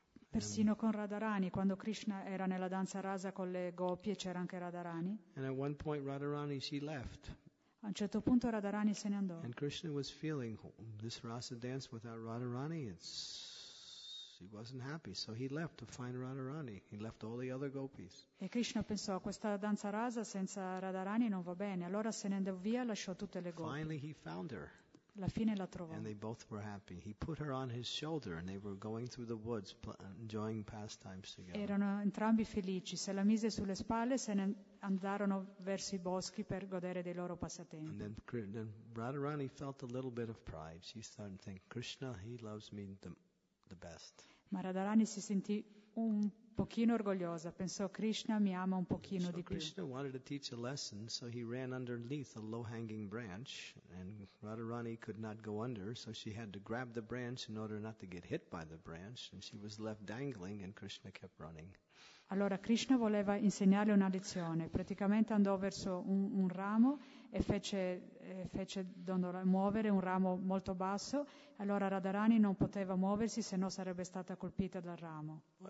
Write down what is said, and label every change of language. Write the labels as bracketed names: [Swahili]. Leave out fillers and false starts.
[Italian] Persino con Radharani, quando Krishna era nella danza rasa con le gopi, c'era anche Radharani. [English] And at one point, Radharani she left. [Italian] A un certo punto Radharani se ne andò. [English] And Krishna was feeling this rasa dance without Radharani, he wasn't happy, so he left to find Radharani. He left all the other gopis. [Italian] E Krishna pensò questa danza rasa senza Radharani non va bene. Allora se ne andò via, lasciò tutte le gopi. [English] Finally he found her. [Italian] La fine la trovò. [English] And they both were happy. He put her on his shoulder and they were going through the woods enjoying pastimes together. [Italian] Erano entrambi felici. Se la mise sulle spalle se ne andarono verso i boschi per godere dei loro passatempi. [English] And then Radharani felt a little bit of pride. She started to think, Krishna, he loves me the best. [Italian] Ma Radharani si sentì un pochino orgogliosa. Pensò, Krishna mi ama un pochino di più. [English] Krishna wanted to teach a lesson, so he ran underneath a low-hanging branch, and Radharani could not go under, so she had to grab the branch in order not to get hit by the branch, and she was left dangling, and Krishna kept running. [Italian] Allora Krishna voleva insegnarle una lezione. Praticamente andò verso un ramo e fece muovere un ramo molto basso. Allora Radharani non poteva muoversi, se no sarebbe stata colpita dal ramo.